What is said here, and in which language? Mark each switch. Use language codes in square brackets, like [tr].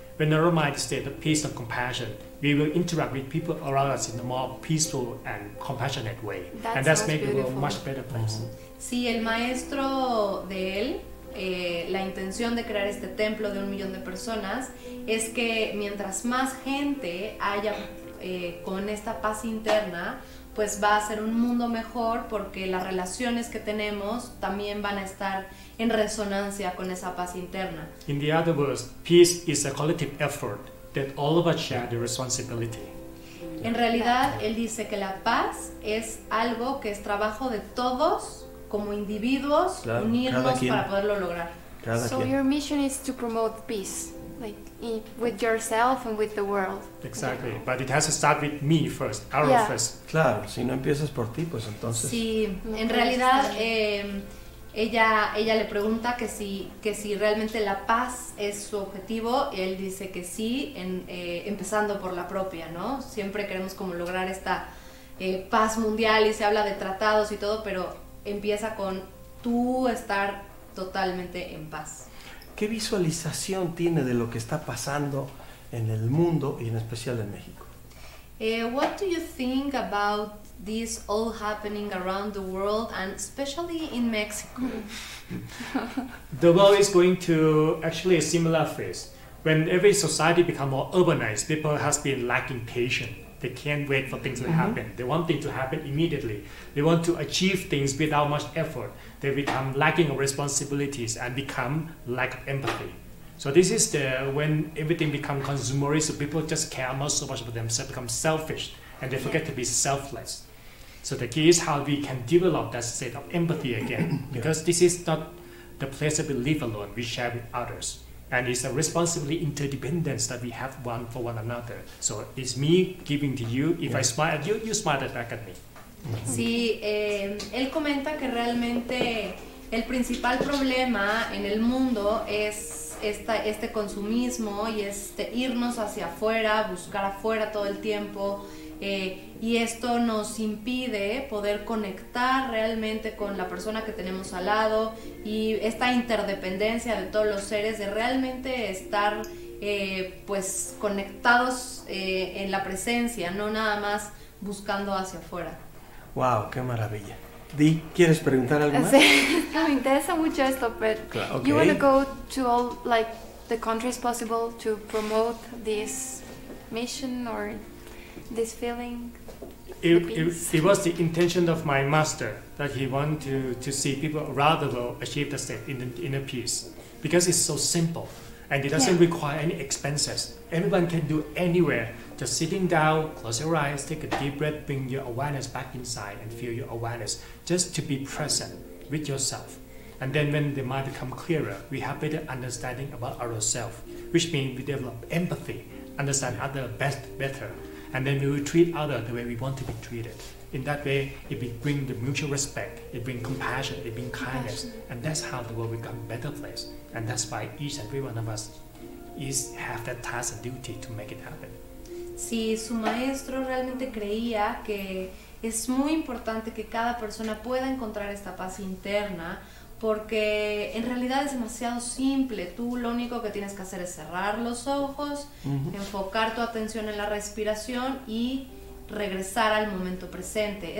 [en] When our mind state of peace and compassion, we will interact with people around us in a more peaceful and compassionate way. That's and that's make the world a much better place. Mm-hmm. [es] Sí, el maestro de él, la intención de crear este templo de 1,000,000 de personas es que mientras más gente haya con esta paz interna, pues va a ser un mundo mejor, porque las relaciones que tenemos también van a estar en resonancia con esa paz interna. [en] In the other words, peace is a collective effort that all of us share the responsibility. [es] En realidad, él dice que la paz es algo que es trabajo de todos como individuos, claro, unirnos para poderlo lograr. Cada so quien. [en] Your mission is to promote peace, like with yourself and with the world. Exactly, okay. But it has to start with me first, our first. [es] Claro, si no empiezas por ti, pues entonces. Sí, en realidad ella le pregunta que si realmente la paz es su objetivo, y él dice que sí, empezando por la propia, ¿no? Siempre queremos como lograr esta paz mundial, y se habla de tratados y todo, pero empieza con tú estar totalmente en paz. ¿Qué visualización tiene de lo que está pasando en el mundo y en especial en México? [en] What do you think about this all happening around the world and especially in Mexico? The world is going to actually a similar phase. When every society become more urbanized, people has been lacking patience. They can't wait for things to happen. They want things to happen immediately. They want to achieve things without much effort. They become lacking of responsibilities and become lack of empathy. So this is the when everything become consumerist, so people just care not so much about themselves, become selfish, and they forget to be selfless. So the key is how we can develop that state of empathy again, because this is not the place that we live alone, we share with others. And it's a responsibility interdependence that we have one for one another. So it's me giving to you, if I smile at you, you smile back at me. [es] Sí, él comenta que realmente el principal problema en el mundo es este consumismo y este irnos hacia afuera, buscar afuera todo el tiempo. Y esto nos impide poder conectar realmente con la persona que tenemos al lado, y esta interdependencia de todos los seres, de realmente estar pues conectados en la presencia, no nada más buscando hacia afuera. ¡Wow! ¡Qué maravilla! Di, ¿quieres preguntar algo más? Sí, me interesa mucho esto, pero ¿quieres ir a todos los países posibles para promover esta misión o...? [en] This feeling, it was the intention of my master that he wanted to see people around the world achieve the state in the inner peace, because it's so simple and it doesn't require any expenses. Everyone can do anywhere, just sitting down, close your eyes, take a deep breath, bring your awareness back inside and feel your awareness, just to be present with yourself. And then when the mind becomes clearer, we have better understanding about ourselves, which means we develop empathy, understand others better. And then we will treat others the way we want to be treated. In that way, it will bring the mutual respect, it bring compassion, it bring kindness. And that's how the world become a better place. And that's why each and every one of us have that task and duty to make it happen. [es] Sí, su maestro realmente creía que es muy importante que cada persona pueda encontrar esta paz interna, porque en realidad es demasiado simple. Tú lo único que tienes que hacer es cerrar los ojos, enfocar tu atención en la respiración y regresar al momento presente.